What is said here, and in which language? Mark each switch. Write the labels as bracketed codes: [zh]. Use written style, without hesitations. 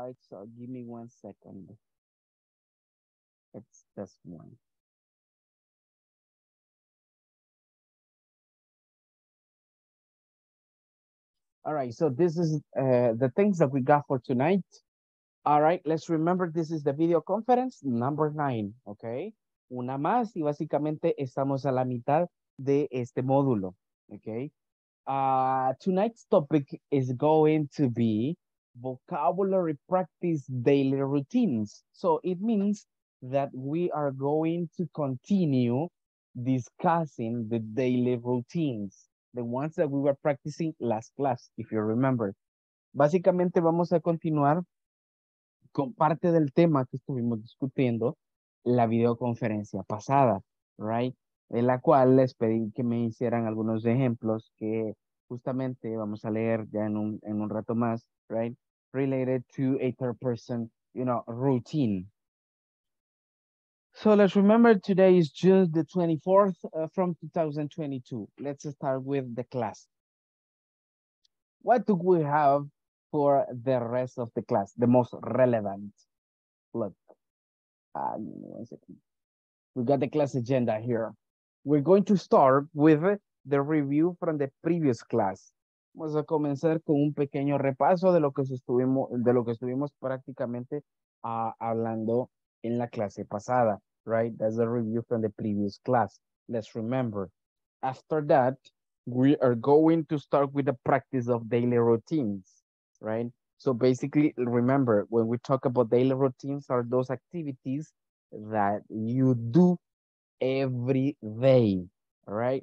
[en] So give me 1 second. It's this one. All right, so this is the things that we got for tonight. All right, let's remember this is the video conference number 9, okay? [es] Una más y básicamente estamos a la mitad de este módulo, okay? [en] Tonight's topic is going to be vocabulary practice daily routines. So it means that we are going to continue discussing the daily routines. The ones that we were practicing last class, if you remember. [es] Básicamente vamos a continuar con parte del tema que estuvimos discutiendo la videoconferencia pasada, right? En la cual les pedí que me hicieran algunos ejemplos que justamente vamos a leer ya en un rato más, right? [en] Related to a third person, you know, routine. So let's remember today is June the 24th from 2022. Let's start with the class. What do we have for the rest of the class? The most relevant. Look, we got the class agenda here. We're going to start with the review from the previous class. [es] Vamos a comenzar con un pequeño repaso de lo que estuvimos prácticamente hablando en la clase pasada. [en] Right, that's a review from the previous class. Let's remember. After that, we are going to start with the practice of daily routines, right? So basically, remember, when we talk about daily routines are those activities that you do every day, right?